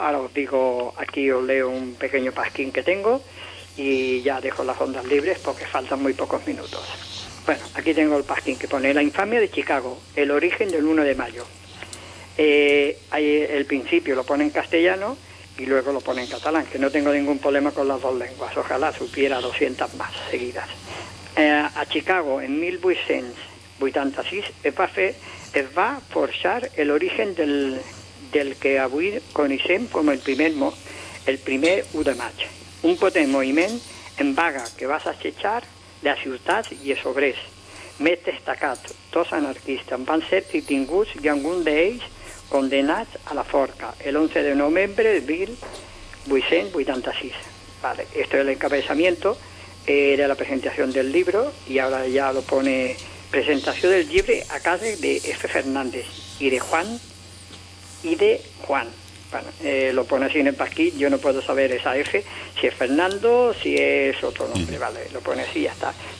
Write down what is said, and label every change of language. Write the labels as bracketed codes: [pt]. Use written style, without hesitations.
[es] Ahora os digo, aquí os leo un pequeño pasquín que tengo y ya dejo las ondas libres porque faltan muy pocos minutos. Bueno, aquí tengo el pasquín que pone: la infamia de Chicago, el origen del 1 de mayo. Ahí el principio lo pone en castellano y luego lo pone en catalán, que no tengo ningún problema con las dos lenguas, ojalá supiera 200 más seguidas. [ca] A Chicago, en 1886, va a forzar el origen del que avui coneixem com el primer 1 de maig. Un potent moviment en vaga que va assetjar la ciutat i els obrers. Més destacat, dos anarquistes van ser detinguts i algun d'ells condenats a la forca el 11 de novembre de 1886. [es] Vale, esto es el encabezamiento de la presentación del libro, y ahora ya lo pone: presentación del libro a cargo de F. Fernández y de Juan. Bueno, lo pone así en el pasquín, yo no puedo saber esa F, si es Fernando, si es otro nombre, vale, lo pone así, ya está.